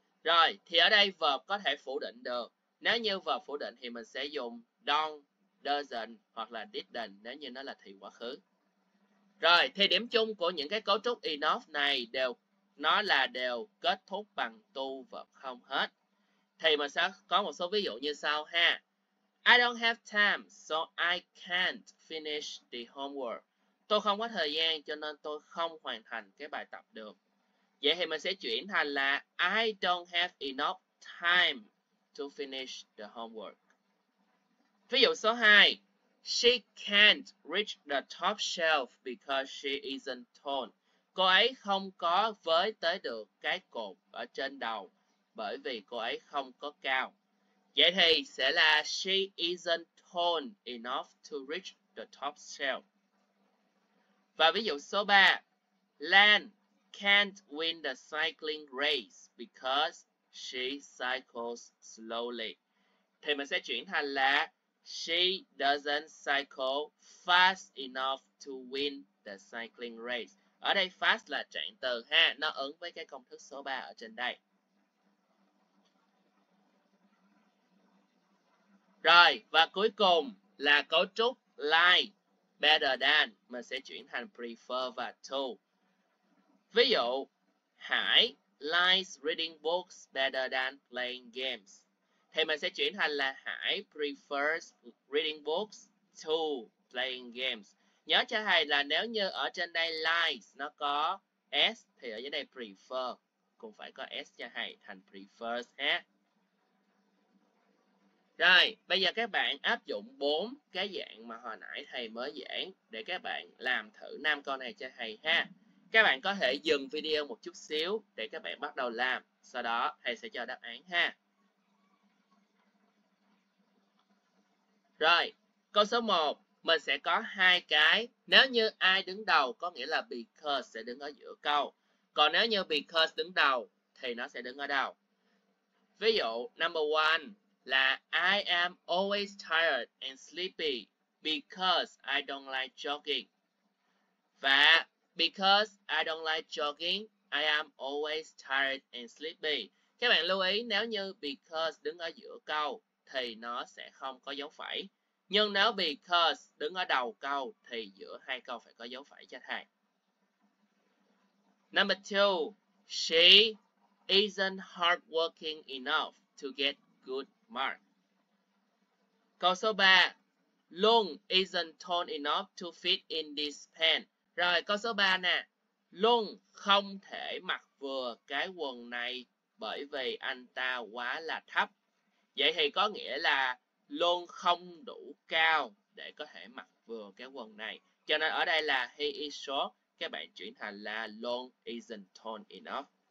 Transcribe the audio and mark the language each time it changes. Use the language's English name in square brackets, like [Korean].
[Vietnamese] Rồi, thì ở đây verb có thể phủ định được. Nếu như verb phủ định thì mình sẽ dùng don't, doesn't hoặc là didn't nếu như nó là thì quá khứ. Rồi, thì điểm chung của những cái cấu trúc enough này đều nó là đều kết thúc bằng to, verb không hết. Thì mình sẽ có một số ví dụ như sau ha. [English] I don't have time, so I can't finish the homework. [Vietnamese] Tôi không có thời gian cho nên tôi không hoàn thành cái bài tập được. Vậy thì mình sẽ chuyển thành là [English] I don't have enough time to finish the homework. [Vietnamese] Ví dụ số 2. [English] She can't reach the top shelf because she isn't tall. [Vietnamese] Cô ấy không có với tới được cái cột ở trên đầu bởi vì cô ấy không có cao. Vậy thì sẽ là [English] she isn't tall enough to reach the top shelf. [Vietnamese] Và ví dụ số 3. [English] Lan can't win the cycling race because she cycles slowly. [Vietnamese] Thì mình sẽ chuyển thành là [English] she doesn't cycle fast enough to win the cycling race. [Vietnamese] Ở đây fast là trạng từ ha, nó ứng với cái công thức số 3 ở trên đây. Rồi, và cuối cùng là cấu trúc like, better than, mình sẽ chuyển thành prefer và to. Ví dụ, [English] Hải likes reading books better than playing games. [Vietnamese] Thì mình sẽ chuyển thành là [English] Hải prefers reading books to playing games. [Vietnamese] Nhớ cho thầy là nếu như ở trên đây likes nó có S, thì ở dưới đây prefer cũng phải có S cho thầy thành prefers ha. Rồi, bây giờ các bạn áp dụng 4 cái dạng mà hồi nãy thầy mới giảng để các bạn làm thử 5 câu này cho thầy ha. Các bạn có thể dừng video một chút xíu để các bạn bắt đầu làm. Sau đó, thầy sẽ cho đáp án ha. Rồi, câu số 1. Mình sẽ có 2 cái. Nếu như ai đứng đầu có nghĩa là because sẽ đứng ở giữa câu. Còn nếu như because đứng đầu thì nó sẽ đứng ở đầu. Ví dụ, number 1. [English] Là I am always tired and sleepy because I don't like jogging. Và because I don't like jogging, I am always tired and sleepy. [Vietnamese] Các bạn lưu ý nếu như because đứng ở giữa câu thì nó sẽ không có dấu phẩy. Nhưng nếu because đứng ở đầu câu thì giữa hai câu phải có dấu phẩy cho thầy. [English] Number 2. She isn't hardworking enough to get good mark. [Vietnamese] Câu số 3. [English] Lung isn't tall enough to fit in this pen. [Vietnamese] Rồi câu số 3 nè. Lung không thể mặc vừa cái quần này bởi vì anh ta quá là thấp. Vậy thì có nghĩa là Lung không đủ cao để có thể mặc vừa cái quần này. Cho nên ở đây là [English] he is short. [Vietnamese] Các bạn chuyển thành là [English] Lung isn't tall enough.